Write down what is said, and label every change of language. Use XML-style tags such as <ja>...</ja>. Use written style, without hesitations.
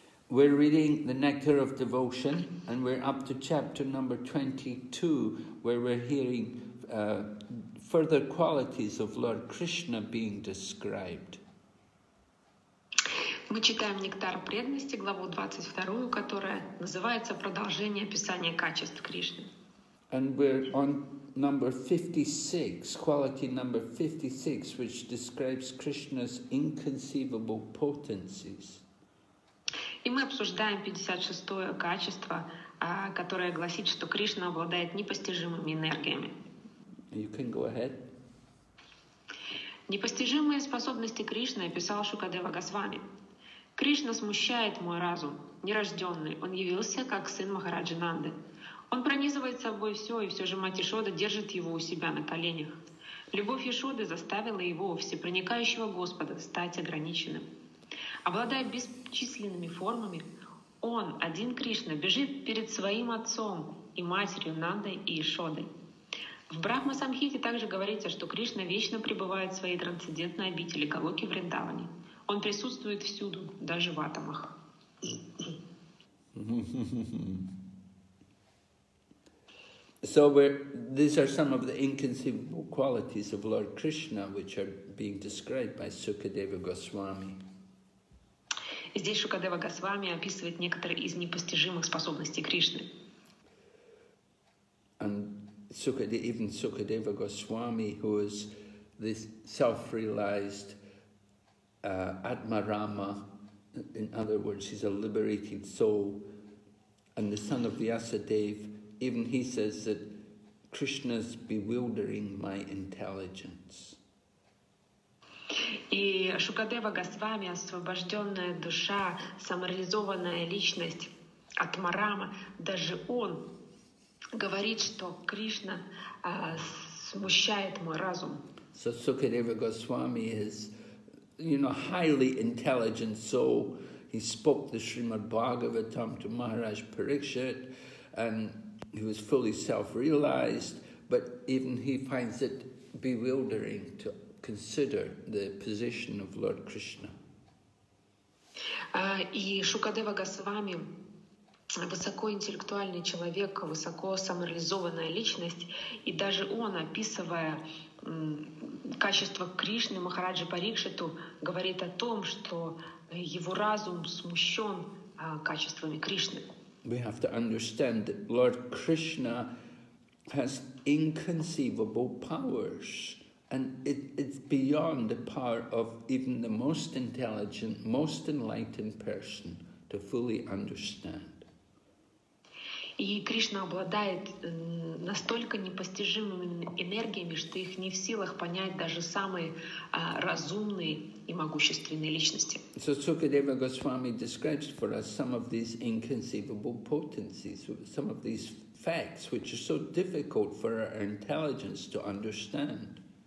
<en>We're reading the Nectar of Devotion, and we're up to chapter number 22, where we're hearing further qualities of Lord Krishna being described.</en> <ru>Мы читаем «Нектар преданности», главу 22, которая называется «Продолжение описания качеств Кришны».</ru> <en>And we're on number 56, quality number 56, which describes Krishna's inconceivable potencies.</en> <ru>И мы обсуждаем 56-е качество, которое гласит, что Кришна обладает непостижимыми энергиями.</ru> <en>You can go ahead.</en> <ru>Непостижимые способности Кришны описал Шукадева Госвами. Кришна смущает мой разум, нерожденный. Он явился как сын Махараджи Нанды. Он пронизывает собой все, и все же мать Ишода держит его у себя на коленях. Любовь Ишоды заставила его, всепроникающего Господа, стать ограниченным. Обладая бесчисленными формами, он, один Кришна, бежит перед своим отцом и матерью Нандой и Ишодой. В Брахма-самхите также говорится, что Кришна вечно пребывает в своей трансцендентной обители Галоки Вриндаване. Он присутствует всюду, даже в атомах.</ru> <en>So these are some of the inconceivable qualities of Lord Krishna, which are being described by Sukadeva Goswami.</en> <ru>Здесь Шукадева Госвами описывает некоторые из непостижимых способностей Кришны.</ru> <en>And even Sukadeva Goswami, who is this self-realized Atmarama, in other words, he's a liberated soul, and the son of Vyasadeva, even he says that Krishna's bewildering my intelligence.</en> <ru>И Шукадева Госвами, освобожденная душа, самореализованная личность, Атмарама, даже он говорит, что Кришна смущает мой разум.</ru> <en>So Sukadeva Goswami is, you know, highly intelligent soul. He spoke the Srimad Bhagavatam to Maharaj Parikshit, and he was fully self-realized, but even he finds it bewildering to consider the position of Lord Krishna.</en> <ru>И Шукадева Госвами, высокоинтеллектуальный человек, высоко самореализованная личность, и даже он, описывая качество Кришны, Махараджи Парикшиту, говорит о том, что его разум смущен качествами Кришны.</ru> <en>We have to understand that Lord Krishna has inconceivable powers, and it's beyond the power of even the most intelligent, most enlightened person to fully understand.</en> <ru>И Кришна обладает настолько непостижимыми энергиями, что их не в силах понять даже самые разумные и могущественные личности.</ru> <en>So Sukadeva Goswami describes for us some of these inconceivable potencies, some of these facts, which are so difficult for our intelligence to understand.</en>